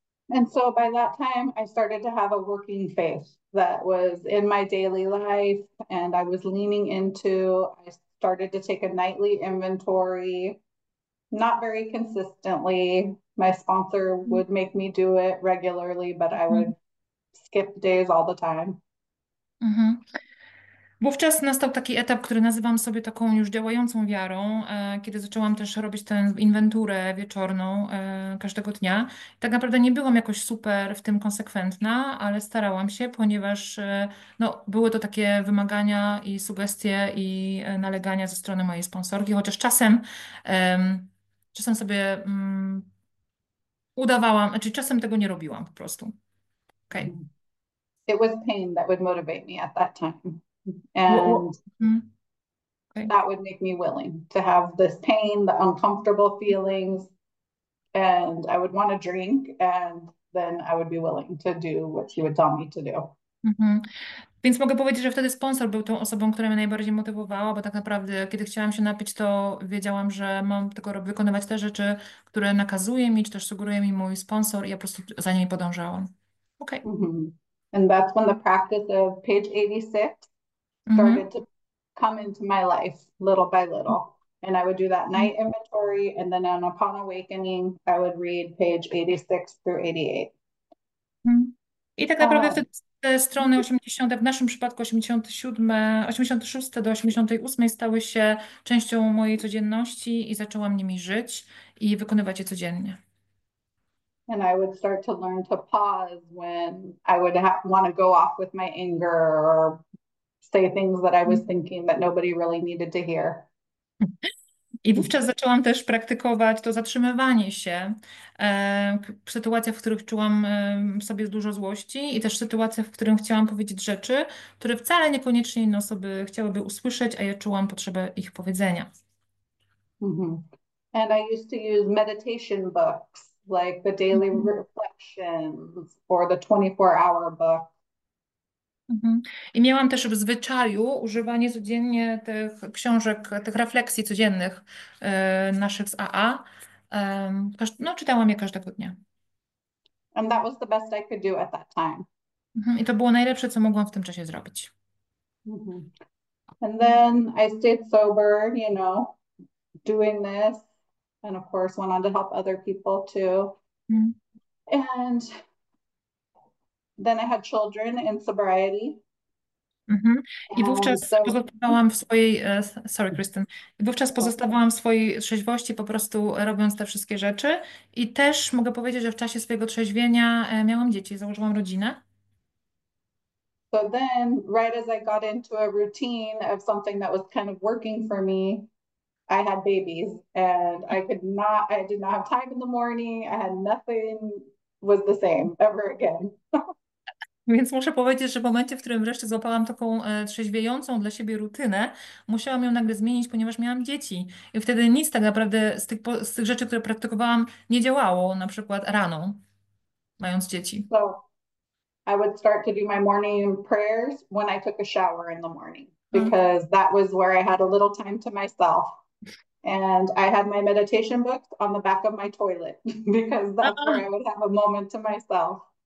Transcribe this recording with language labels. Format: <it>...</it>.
<en>And so by that time, I started to have a working faith that was in my daily life, and I was leaning into, I started to take a nightly inventory, not very consistently. My sponsor would make me do it regularly, but I would skip days all the time.</en> <pl>Wówczas nastał taki etap, który nazywam sobie taką już działającą wiarą, kiedy zaczęłam też robić tę inwenturę wieczorną każdego dnia. Tak naprawdę nie byłam jakoś super w tym konsekwentna, ale starałam się, ponieważ no, były to takie wymagania i sugestie i nalegania ze strony mojej sponsorki, chociaż czasem sobie udawałam, czyli czasem tego nie robiłam po prostu. Okej. Okay.</pl> <en>It was pain that would motivate me at that time. And Well, okay. that would make me willing to have this pain, the uncomfortable feelings, and I would want to drink, and then I would be willing to do what he would tell me to do.</en> <pl>Więc mogę powiedzieć, że wtedy sponsor był tą osobą, która mnie najbardziej motywowała, bo tak naprawdę, kiedy chciałam się napić, to wiedziałam, że mam tylko wykonywać te rzeczy, które nakazuje mi, czy też sugeruje mi mój sponsor, i ja po prostu za nimi podążałam. Okej. Okay.</pl> <en>And that's when the practice of page 86 started to come into my life little by little. And I would do that night inventory. And then upon awakening, I would read page 86 through 88.</en> <pl>I tak naprawdę wtedy te strony 80, w naszym przypadku 87, 86 do 88 stały się częścią mojej codzienności i zaczęłam nimi żyć i wykonywać je codziennie.</pl> <en>And I would start to learn to pause when I would want to go off with my anger or say things that I was thinking that nobody really needed to hear.</en> <pl>I wówczas zaczęłam też praktykować to zatrzymywanie się w sytuacjach, w których czułam w sobie dużo złości, i też sytuacjach, w których chciałam powiedzieć rzeczy, które wcale niekoniecznie inne osoby chciałyby usłyszeć, a ja czułam potrzebę ich powiedzenia.</pl> <en>And I used to use meditation books. Like the Daily Reflections or the 24-hour book.</en> <pl>I miałam też w zwyczaju używanie codziennie tych książek, tych refleksji codziennych naszych z AA. No, czytałam je każdego dnia.</pl> <en>And that was the best I could do at that time.</en> <pl>I to było najlepsze, co mogłam w tym czasie zrobić.</pl> <en>And then I stayed sober, doing this. And of course, went on to help other people too. And then I had children in sobriety.</en> <pl>I wówczas pozostawałam w swojej, sorry, Kristen, wówczas pozostawałam w swojej trzeźwości, po prostu robiąc te wszystkie rzeczy. I też mogę powiedzieć, że w czasie swojego trzeźwienia miałam dzieci, założyłam rodzinę.</pl> <en>So then, right as I got into a routine of something that was kind of working for me, I had babies and I did not have time in the morning. I had nothing was the same ever again.</en> <pl>Więc muszę powiedzieć, że w momencie, w którym wreszcie złapałam taką trzeźwiejącą dla siebie rutynę, musiałam ją nagle zmienić, ponieważ miałam dzieci. I wtedy nic tak naprawdę z tych rzeczy, które praktykowałam, nie działało, na przykład rano, mając dzieci.</pl> <en>So I would start to do my morning prayers when I took a shower in the morning. Because that was where I had a little time to myself. And I had my meditation books on the back of my toilet because that's where I would have a moment to myself.</en>